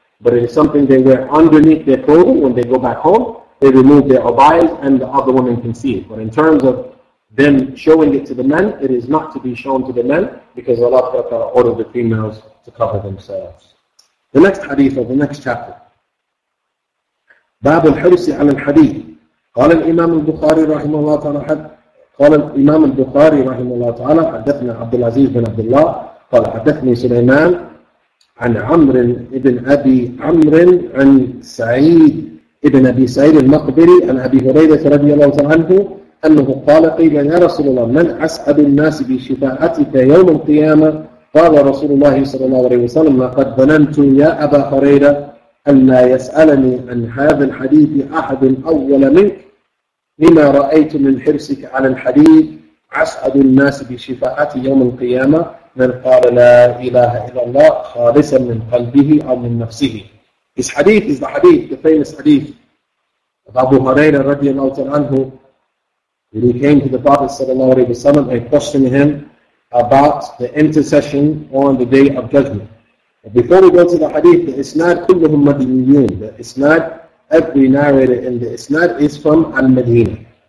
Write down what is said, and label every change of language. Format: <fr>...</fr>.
<en>But it is something they wear underneath their clothing when they go back home. They remove their abayas and the other women can see it. But in terms of them showing it to the men, it is not to be shown to the men because Allah Ta'ala ordered the females to cover themselves. The next hadith of the next chapter.</en> <ar>Bab al-Hirsi al-Hadith. Qala al-Imam al-Bukhari rahimahullah ta'ala قال الإمام البخاري رحمه الله تعالى حدثنا عبد العزيز بن عبد الله قال حدثني سليمان عن عمرو بن أبي عمرو عن سعيد بن أبي سعيد المقبري عن أبي هريرة رضي الله عنه أنه قال قيل يا رسول الله من أسعد الناس بشفاعتك يوم القيامة قال رسول الله صلى الله عليه وسلم لقد ظننت يا أبا هريرة أن لا يسألني عن هذا الحديث أحد أول منك لما رأيت من حرصك على الحديث أسعد الناس بشفاعتي يوم القيامة من قال لا إله إلا الله خالصا من قلبه أو من نفسه.</ar> <en>This hadith is the hadith, the famous hadith of Abu Huraira رضي الله عنه, when he came to the Prophet صلى الله عليه وسلم and questioned him about the intercession on the Day of Judgment. But before we go to the hadith, the isnad</en> <ar>كلهم مدنيون.</ar> <en>The isnad, every narrator in the isnad is from Al-Madinah.</en>